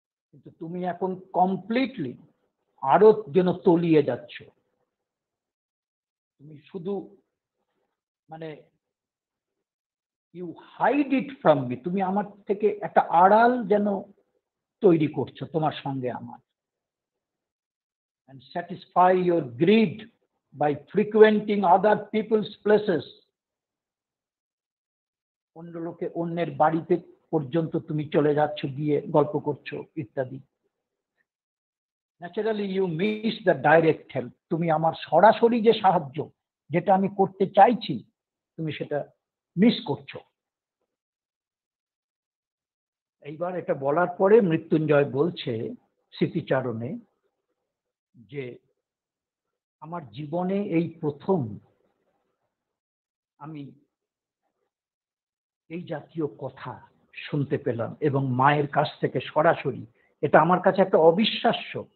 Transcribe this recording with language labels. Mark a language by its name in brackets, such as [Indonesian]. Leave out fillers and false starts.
[Bangla] কিন্তু তুমি এখন কমপ্লিটলি আরো যেন তলিয়ে যাচ্ছ, তুমি শুধু মানে [English] you hide it from me, [Bangla] তুমি আমার থেকে একটা আড়াল যেন তৈরি করছো তোমার সঙ্গে আমার। [English] And satisfy your greed by frequenting other people's places. [Bangla] অন্য লোকে অন্যের বাড়িতে পর্যন্ত তুমি চলে যাচ্ছ, গিয়ে গল্প করছো ইত্যাদি। [English] Naturally you miss the direct help. [Bangla] তুমি আমার সরাসরি যে সাহায্য যেটা আমি করতে চাইছি তুমি সেটা মিস করছো। এইবার এটা বলার পরে মৃত্যুঞ্জয় বলছে স্মৃতিচারণে যে আমার জীবনে এই প্রথম আমি এই জাতীয় কথা শুনতে পেলাম এবং মায়ের কাছ থেকে সরাসরি, এটা আমার কাছে একটা অবিশ্বাস্য,